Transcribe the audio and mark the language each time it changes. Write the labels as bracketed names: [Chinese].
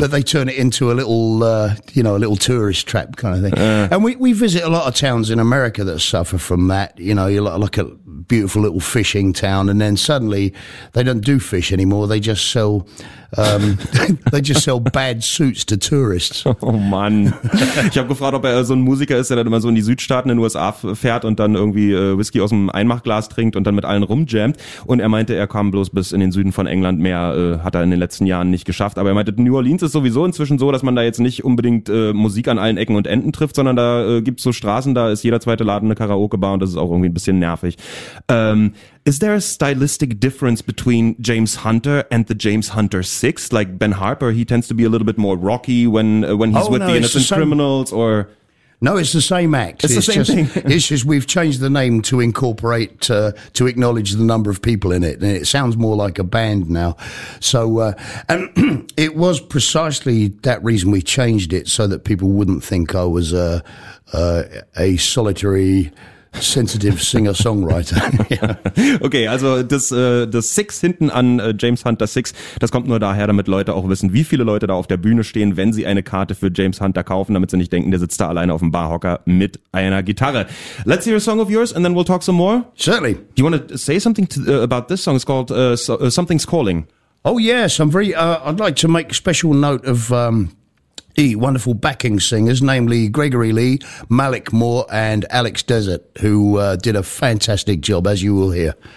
[English] But they turn it into a little, a little tourist trap kind of thing. And we visit a lot of towns in America that suffer from that. You know, you look at beautiful little fishing town and then suddenly they don't do fish anymore. They just sell, they just sell bad suits to tourists. Oh man. [German] Ich habe gefragt, ob er so ein Musiker ist, der dann immer so in die Südstaaten in den USA fährt und dann irgendwie Whisky aus dem Einmachglas trinkt und dann mit allen rumjammt. Und er meinte, er kam bloß bis in den Süden von England, mehr hat er in den letzten Jahren nicht geschafft. Aber er meinte, New Orleans ist sowieso inzwischen so, dass man da jetzt nicht unbedingt Musik an allen Ecken und Enden trifft, sondern da gibt's so Straßen, da ist jeder zweite Laden eine Karaoke-Bar und das ist auch irgendwie ein bisschen nervig. [English] Is there a stylistic difference between James Hunter and the James Hunter 6? Like Ben Harper, he tends to be a little bit more rocky when he's with the Innocent Criminals or... No, it's the same act. It's the same thing. It's just we've changed the name to incorporate, to acknowledge the number of people in it. And it sounds more like a band now. So and it was precisely that reason we changed it, so that people wouldn't think I was a solitary, sensitive singer-songwriter. Yeah. [German] Okay, also das Six hinten an James Hunter Six, das kommt nur daher, damit Leute auch wissen, wie viele Leute da auf der Bühne stehen, wenn sie eine Karte für James Hunter kaufen, damit sie nicht denken, der sitzt da alleine auf dem Barhocker mit einer Gitarre. [English] Let's hear a song of yours and then we'll talk some more. Certainly. Do you want to say something about this song? It's called Something's Calling. Oh yes, I'm very, I'd like to make special note of the wonderful backing singers, namely Gregory Lee, Malik Moore, and Alex Desert, who did a fantastic job, as you will hear.